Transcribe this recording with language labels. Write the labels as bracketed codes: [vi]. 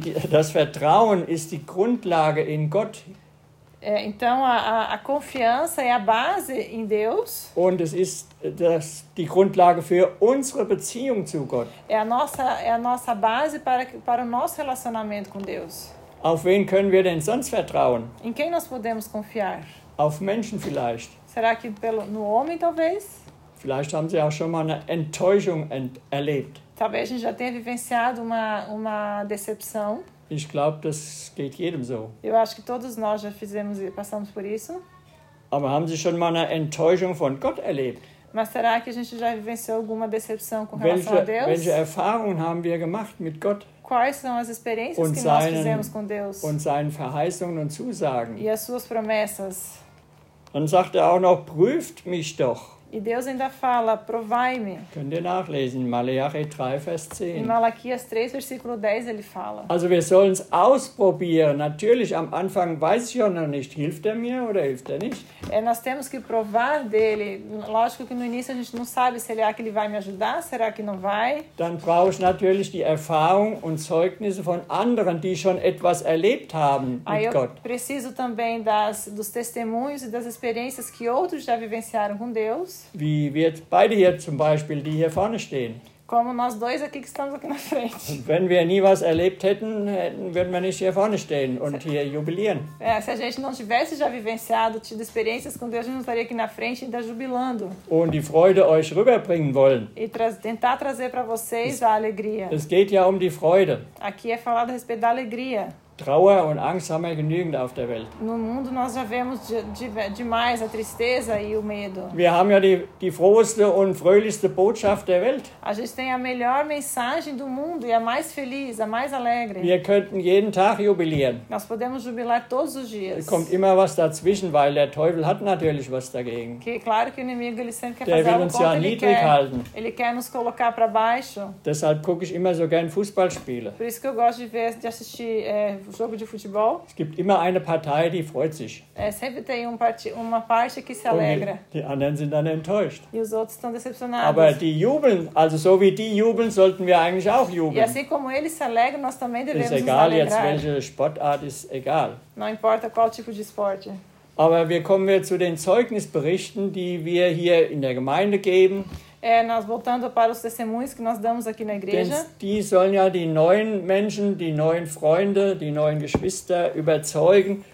[de] Das Vertrauen ist die Grundlage in Gott. [pt] É, então a confiança é a base em Deus. [de] Und es ist das die Grundlage für unsere Beziehung zu Gott. [pt] É a nossa base para o nosso relacionamento com Deus. [de] Auf wen können wir denn sonst vertrauen? [pt] Em quem nós podemos confiar? [de] Auf Menschen vielleicht. [pt] Será que no homem talvez? [de] Vielleicht haben Sie auch schon mal eine Enttäuschung erlebt. [pt] Talvez a gente já tenha vivenciado uma decepção. [de] Ich glaube, das geht jedem so. [pt] Eu acho que todos nós já fizemos e passamos por isso. [de] Aber haben Sie schon mal eine Enttäuschung von Gott erlebt? [pt] Mas será que a gente já vivenciou alguma decepção com relação a Deus? [de] Welche Erfahrungen haben wir gemacht mit Gott? [pt] Quais são as experiências que nós fizemos com Deus? [de] Und seinen Verheißungen und Zusagen. [pt] E as suas promessas. [de] Dann sagt auch noch, prüft mich doch. [pt] E Deus ainda fala, provai-me. [de] Könnt ihr nachlesen, Malachi 3, Vers 10. [pt] Em Malaquias 3, versículo 10, ele fala. [de] Also wir sollen es ausprobieren. Natürlich, am Anfang weiß ich ja noch nicht, hilft mir oder hilft nicht. [pt] É, nós temos que provar dele. Lógico que no início a gente não sabe se ele é que ele vai me ajudar, será que não vai. [de] Dann brauche ich natürlich die Erfahrung und Zeugnisse von anderen, die schon etwas erlebt haben mit Gott. [pt] Aí eu preciso também dos testemunhos e das experiências que outros já vivenciaram com Deus. [de] Wie wir beide hier zum Beispiel, die hier vorne stehen. [pt] como nós dois aqui que estamos aqui na frente. [de] Wenn wir nie was erlebt hätten, würden wir nicht hier vorne stehen und hier jubilieren. [pt] É, se a gente não tivesse já vivenciado, tido experiências com Deus, a gente não estaria aqui na frente ainda jubilando. [de] Und die Freude euch rüberbringen wollen. [pt] E tentar trazer para vocês a alegria. [de] Es geht ja um die Freude. [pt] Aqui é falado a respeito da alegria. [de] Trauer und Angst haben wir genügend auf der Welt. [pt] No mundo nós já vemos demais a tristeza e o medo. [de] Wir haben ja die froheste und fröhlichste Botschaft der Welt. [pt] A gente tem a melhor mensagem do mundo e a mais feliz, a mais alegre. [de] Wir könnten jeden Tag jubilieren. [pt] Nós podemos jubilar todos os dias. [de] Es kommt immer was dazwischen, weil der Teufel hat natürlich was dagegen. [pt] Que claro que o inimigo ele sempre quer fazer [de] uns ja niedrig halten. [pt] Ele quer nos colocar para baixo. [de] Deshalb gucke ich immer so gern Fußballspiele. [pt] Por isso que eu gosto de assistir jogo de futebol. [de] Es gibt immer eine Partei, die freut sich. [pt] É, sempre tem uma parte que se alegra. [de] Die anderen sind dann enttäuscht. [pt] E os outros estão decepcionados. [de] Aber die jubeln, also so wie die jubeln, sollten wir eigentlich auch jubeln. [pt] E assim como eles se alegram, nós também devemos nos alegrar. [de] Ist egal, jetzt welche Sportart, ist egal. [pt] Não importa qual tipo de esporte. [de] Aber wir kommen jetzt zu den Zeugnisberichten, die wir hier in der Gemeinde geben. [pt] É, nós voltando para os testemunhos que nós damos aqui na igreja. [de] Die sollen ja die neuen Menschen, die neuen Freunde, die neuen Geschwister überzeugen.